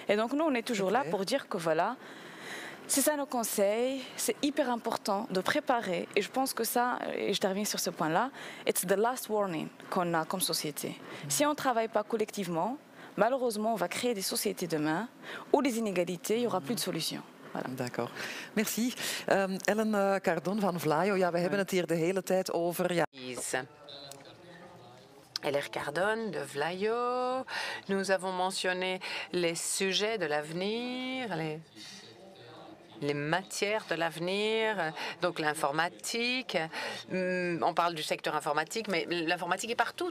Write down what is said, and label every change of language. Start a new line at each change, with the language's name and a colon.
French: Et donc nous on est toujours là pour dire que voilà, c'est ça nos conseils, c'est hyper important de préparer, et je pense que ça, et je termine sur ce point-là,
English: it's the last warning
French: qu'on a comme société. Si on ne travaille pas collectivement, malheureusement, on va créer des sociétés demain où les inégalités, il n'y aura plus de solution. Voilà. D'accord, merci.
Dutch: Ellen Cardon van Vlaio, ja, we hebben het hier de hele tijd over... Ja.
French: Ellen Cardon de Vlaio, nous avons mentionné les sujets de l'avenir, les matières de l'avenir, donc l'informatique. On parle du secteur informatique, mais l'informatique est partout.